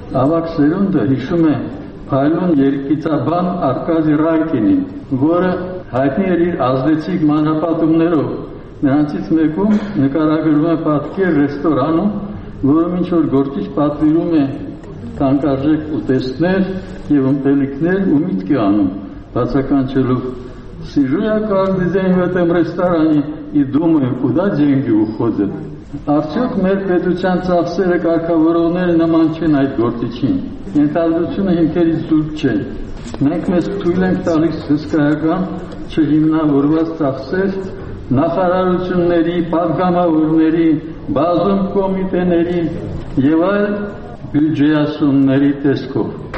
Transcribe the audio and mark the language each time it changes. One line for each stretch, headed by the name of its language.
Armenian: Ավակ Սերունդը հիշում է Փայլուն երկիծաբան Արկադի Ռայկինին, որը հայտնի էր իր ազդեցիկ մանրապատումներով, նրանցից մեկում նկարագրվում է պատկեր ռեստորանում, որում ինչ-որ գործիչ պատվիրում է թանկարժեք ուտեստներ և ըմպելիքներ ու միտք է անում, Բացականչելով,
Russian: «Сижу я каждый день в этом ресторане и думаю, куда деньги уходят».
Armenian: Արդյոք մեր պետության ծախսերը կարգավորողները նման չեն այդ գործիչին։ Ենթադրությունը հիմքերի զուրկ չէ։ Մենք մեզ թույլ ենք տալիս հսկայական չհիմնավորված ծախսեր նախարարությունների, պատգամավորների, բազում կոմիտեների և այլ բյուջեասումների տեսքով։